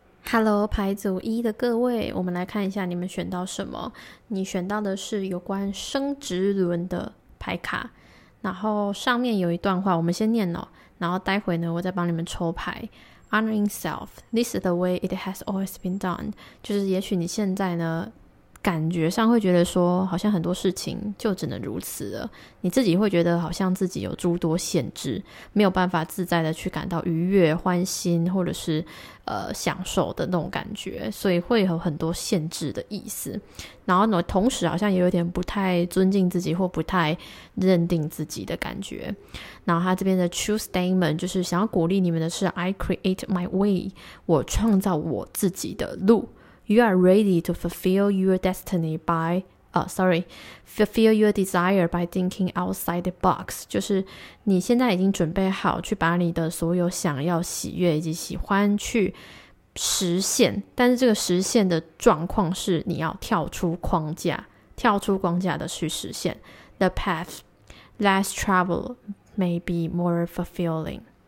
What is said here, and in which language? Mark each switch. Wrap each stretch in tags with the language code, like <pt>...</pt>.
<zh>Hello，牌组一的各位，我们来看一下你们选到什么。你选到的是有关生殖轮的牌卡，然后上面有一段话，我们先念哦。然后待会呢，我再帮你们抽牌。</zh> <en>Honoring self，this is the way it has always been done。</en> <zh>就是也许你现在呢，感觉上会觉得说，好像很多事情就只能如此了。你自己会觉得好像自己有诸多限制，没有办法自在的去感到愉悦、欢心，或者是享受的那种感觉，所以会有很多限制的意思。然后呢，同时好像也有点不太尊敬自己或不太认定自己的感觉。然后他这边的 true statement 就是想要鼓励你们的是</zh> <en>I create my way，</en> <zh>我创造我自己的路。</zh> <en>You are ready to fulfill your destiny by, fulfill your desire by thinking outside the box。</en> <zh>就是你现在已经准备好去把你的所有想要、喜悦以及喜欢去实现，但是这个实现的状况是你要跳出框架，跳出框架的去实现。</zh> <en>The path less traveled may be more fulfilling。</en>